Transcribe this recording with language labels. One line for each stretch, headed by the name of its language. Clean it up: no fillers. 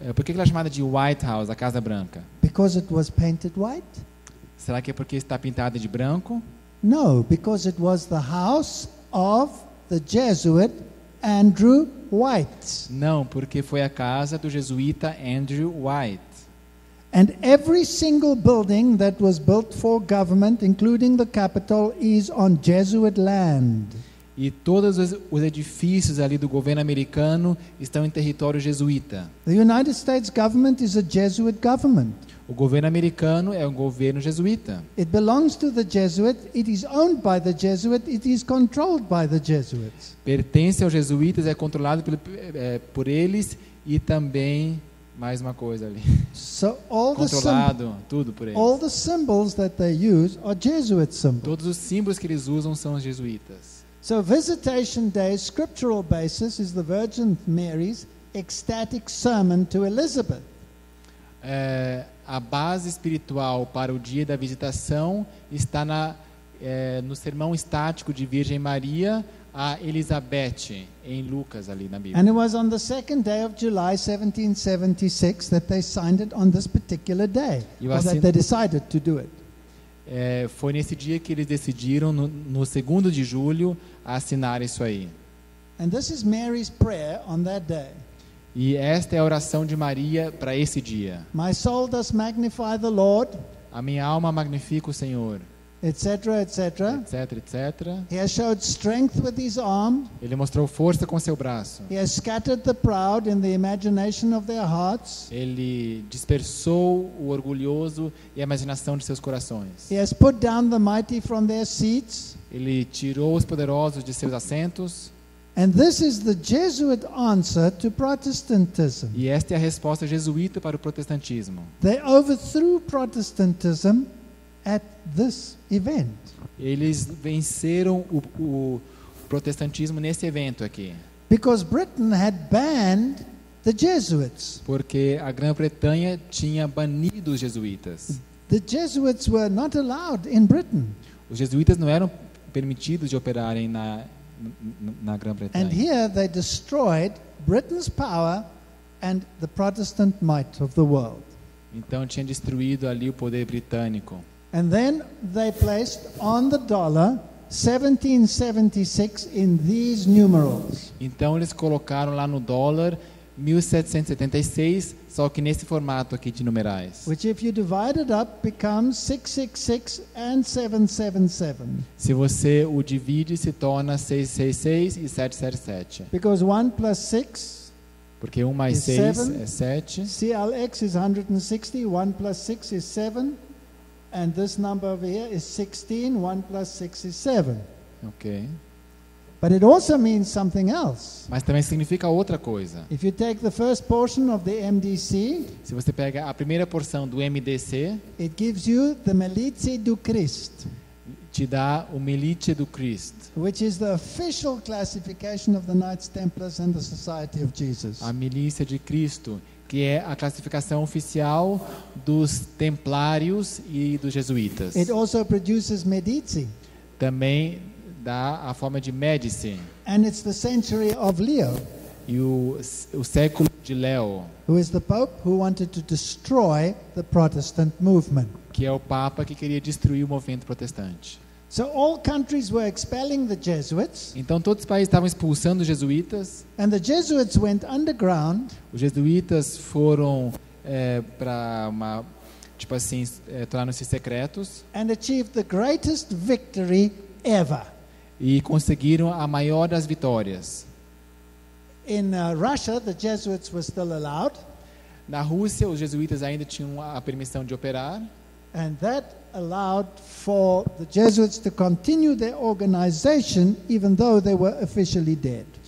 Portuguese: Por que ela é chamada de White House, a Casa Branca?
English: Because it was painted white.
Portuguese: Será que é porque está pintada de branco?
English: No, because it was the house of the Jesuit Andrew White.
Portuguese: Não, porque foi a casa do jesuíta Andrew White.
English: And every single building that was built for government, including the Capitol, is on Jesuit land.
Portuguese: E todos os edifícios ali do governo americano estão em território jesuíta.
English: The United States government is a Jesuit government.
Portuguese: O governo americano é um governo jesuíta.
English: It belongs to the Jesuit, it is owned by the Jesuit, it is controlled by the Jesuits.
Portuguese: Pertence aos jesuítas, é controlado por eles e também mais uma coisa ali.
English: So all
Portuguese: controlado tudo por eles.
English: All the symbols that they use are Jesuit symbols.
Portuguese: Todos os símbolos que eles usam são os jesuítas.
English: So Visitation Day's scriptural basis is the Virgin Mary's ecstatic sermon to Elizabeth.
Portuguese: A base espiritual para o dia da visitação está no sermão estático de Virgem Maria a Elizabeth em Lucas ali na Bíblia.
English: And it was on the second day of July 1776 that they signed it on this particular day. That they decided to do it.
Portuguese: Foi nesse dia que eles decidiram no segundo de julho assinar isso aí.
English: And this is Mary's prayer on that day.
Portuguese: E esta é a oração de Maria para esse dia.
English: My soul does magnify the Lord.
Portuguese: A minha alma magnifica o Senhor.
English: Etc, etc.
Portuguese: Etc, etc.
English: He has showed strength with his arm.
Portuguese: Ele mostrou força com seu braço.
English: He has scattered the proud in the imagination of their hearts.
Portuguese: Ele dispersou o orgulhoso e a imaginação de seus corações.
English: He has put down the mighty from their seats.
Portuguese: Ele tirou os poderosos de seus assentos.
English: And this is the Jesuit answer to Protestantism.
Portuguese: E esta é a resposta jesuíta para o protestantismo.
English: They overthrew Protestantism at this event.
Portuguese: Eles venceram o protestantismo nesse evento aqui.
English: Because Britain had banned the Jesuits.
Portuguese: Porque a Grã-Bretanha tinha banido os jesuítas.
English: The Jesuits were not allowed in Britain.
Portuguese: Os jesuítas não eram permitidos de operarem na Grã-Bretanha.
English: And here they destroyed Britain's power and the Protestant might of the world.
Portuguese: Então tinha destruído ali o poder britânico.
English: And then they placed on the dollar 1776 in these numerals.
Portuguese: Então eles colocaram lá no dólar 1776, só que nesse formato aqui de numerais.
English: Which if you divide it up becomes 666 and 777.
Portuguese: Se você o divide, se torna 666 e 777.
English: Because 1 plus 6
Portuguese: Porque 1 mais 6 é 7.
English: CLX is 160, 1 plus 6 is 7. And this number over here is 16, 1 plus 6 is 7. Okay. But it also means something else.
Portuguese: Mas também significa outra coisa.
English: If you take the first portion of the MDC,
Portuguese: se você pega a primeira porção do MDC,
English: it gives you the Milizia do Christ.
Portuguese: Te dá o Milizia do Christ.
English: Which is the official classification of the Knights Templars and the Society of Jesus.
Portuguese: A Milícia de Cristo, que é a classificação oficial dos Templários e dos Jesuítas.
English: It also produces Medici.
Portuguese: Também dá a forma de Medici.
English: And it's the century of Leo.
Portuguese: E o século de Leo.
English: Who is the Pope who wanted to destroy the Protestant movement.
Portuguese: Que é o Papa que queria destruir o movimento protestante.
English: So all countries were expelling the Jesuits.
Portuguese: Então todos os países estavam expulsando os jesuítas.
English: And the Jesuits went underground.
Portuguese: Os jesuítas foram para uma tipo assim tornaram-se secretos.
English: And achieved the greatest victory ever.
Portuguese: E conseguiram a maior das vitórias.
English: In Russia, the Jesuits were still allowed.
Portuguese: Na Rússia, os jesuítas ainda tinham a permissão de operar.
English: And that allowed for the Jesuits to continue their organization even though they were officially dead.